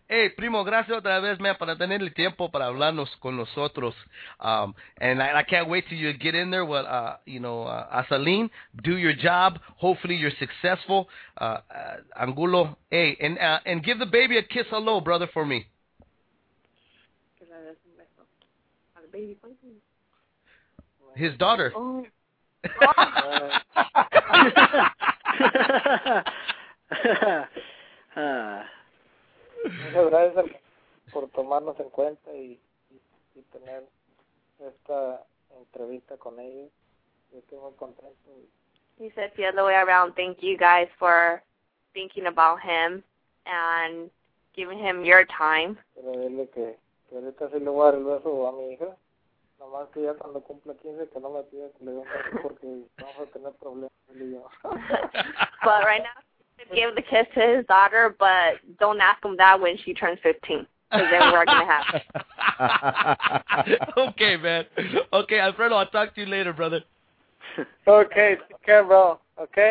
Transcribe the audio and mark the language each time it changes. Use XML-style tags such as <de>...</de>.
<es>Hey, primo, gracias otra vez, man, para tener el tiempo para hablarnos con nosotros.</es> <en>And I can't wait till you get in there with, Asalin. Do your job. Hopefully, you're successful. Angulo, hey, and give the baby a kiss hello, brother, for me. His daughter.</en> <es>Muchas gracias por tomarnos en cuenta y tener esta entrevista con ellos. Yo estoy muy contento.</es> <en>He said the other way around. Thank you guys for thinking about him and giving him your time.</en> <es>Pero dile que ahorita sí le voy a dar el beso a mi hija. No Nomás que ya cuando cumpla 15 que no me pida que le dé un beso porque vamos a tener problemas él y yo.</es> <en>But right now, give the kiss to his daughter, but don't ask him that when she turns 15. Because then we're going to have Okay, man. Okay, Alfredo, I'll talk to you later, brother. Okay, take care, bro. Okay?</en>